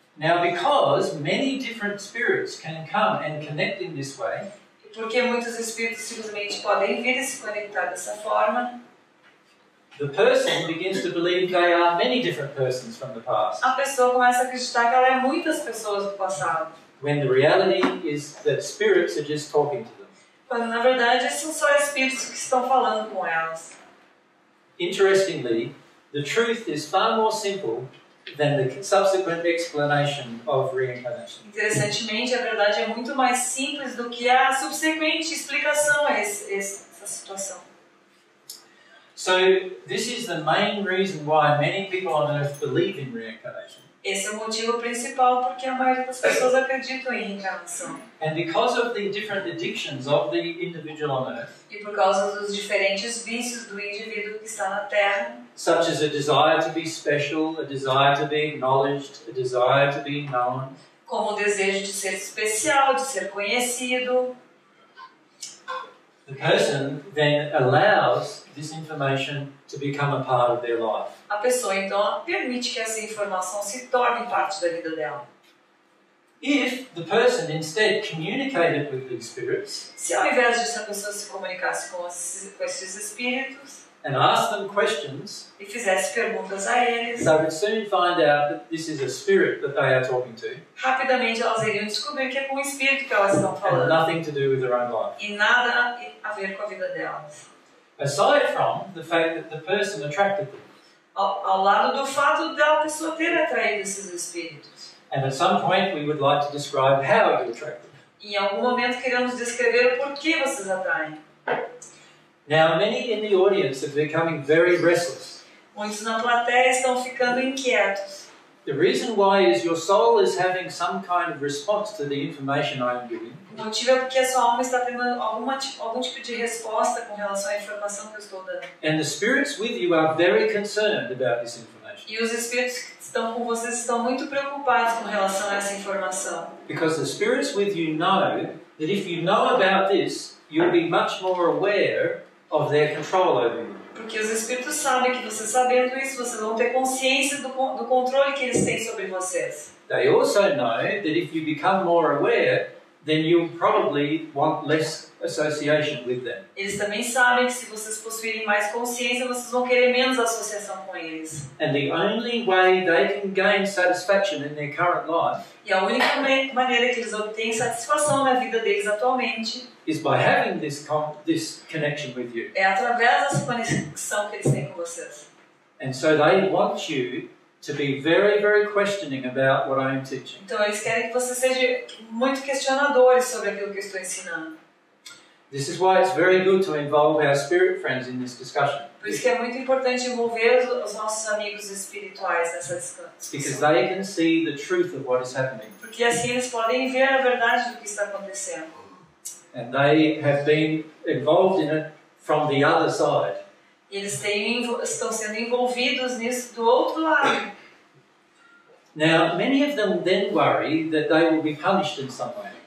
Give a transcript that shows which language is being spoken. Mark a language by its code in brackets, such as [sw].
[en] Now, because many different spirits can come and connect in this way, [pt] porque muitos espíritos simplesmente podem vir e se conectar dessa forma, [en] the person begins to believe they are many different persons from the past. [pt] A pessoa começa a acreditar que ela é muitas pessoas do passado. [en] When the reality is that spirits are just talking to them. [pt] Quando na verdade são só espíritos que estão falando com elas. [en] Interestingly, the truth is far more simple than the subsequent explanation of reincarnation. [pt] Interessantemente, a verdade é muito mais simples do que a subsequente explicação a essa situação. [en] So, this is the main reason why many people on Earth believe in reincarnation. [pt] Esse é o motivo principal porque a maioria das pessoas acreditam em reencarnação. [en] And because of the different addictions of the individual on Earth. [pt] E por causa dos diferentes vícios do indivíduo que está na Terra. [en] Such as a desire to be special, a desire to be acknowledged, a desire to be known. [pt] Como o desejo de ser especial, de ser conhecido. [en] The person then allows this information to become a part of their life. [pt] A pessoa então permite que essa informação se torne parte da vida dela. [en] If the person instead communicated with the spirits, [pt] se ao invés de essa pessoa se comunicasse com esses espíritos, [en] and asked them questions, [pt] e fizesse perguntas a eles, [en] they would soon find out that this is a spirit that they are talking to. [pt] Rapidamente elas iriam descobrir que é com um espírito que elas estão falando. [en] And nothing to do with their own life. [pt] E nada a ver com a vida delas. [en] Aside from the fact that the person attracted them. [pt] Ao lado do fato da pessoa ter atraído esses espíritos. [en] And at some point we would like to describe how you attract them. [pt] Em algum momento queremos descrever o porquê vocês atraem. [en] Now many in the audience are becoming very restless. [pt] Muitos na plateia estão ficando inquietos. [en] The reason why is your soul is having some kind of response to the information I am giving. [pt] O motivo é porque a sua alma está tendo algum tipo de resposta com relação à informação que eu estou dando. [en] And the spirits with you are very concerned about this information. [pt] E os espíritos que estão com vocês estão muito preocupados com relação a essa informação. [en] Because the spirits with you know that if you know about this, you'll be much more aware of their control over you. [pt] Porque os espíritos sabem que você sabendo isso, vocês vão ter consciência do controle que eles têm sobre vocês. [en] They also know that if you become more aware, then you'll probably want less association with them. [pt] Eles também sabem que se vocês possuírem mais consciência, vocês vão querer menos associação com eles. [en] And the only way they can gain satisfaction in their current life. [pt] E a única maneira que eles obtêm satisfação na vida deles atualmente. [en] Is by having this connection with you. [pt] É através dessa conexão que eles têm com vocês. [en] And so they want you to be very, very questioning about what I am teaching. [pt] Então eles querem que você seja muito questionador sobre aquilo que eu estou ensinando. [en] This is why it's very good to involve our spirit friends in this discussion. [pt] Por isso que é muito importante envolver os nossos amigos espirituais nessa discussão. [en] Because they can see the truth of what is happening. [pt] Porque assim eles podem ver a verdade do que está acontecendo. [en] And they have been involved in it from the other side. [pt] Eles estão sendo envolvidos nisso do outro lado. [en] Now, many of them then worry that they will be punished in some way.